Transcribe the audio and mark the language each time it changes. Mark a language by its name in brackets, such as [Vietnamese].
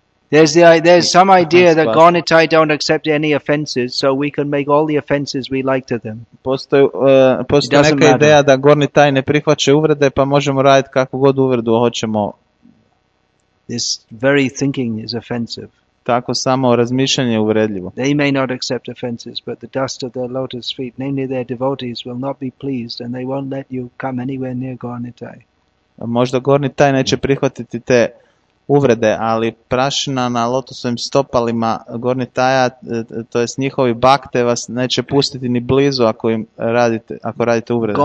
[English] There's some idea that Gornitai don't accept any offenses, so we can make all the offenses we like to them. [Croatian] Postoji neka ideja da Gornitai ne prihvaća uvrede, pa možemo raditi kakvu god uvredu hoćemo. [English] This very thinking is offensive. [Croatian] Tako samo razmišljanje je uvredljivo. [English] They may not accept offenses, but the dust of their lotus feet, namely their devotees, will not be pleased and they won't let you come anywhere near Gornitai. [Croatian] Možda Gornitai neće prihvatiti te uvrede, ali prašina na lotusovim stopalima Gornitaja, to jest njihovi bakte, vas neće pustiti ni blizu ako radite uvrede.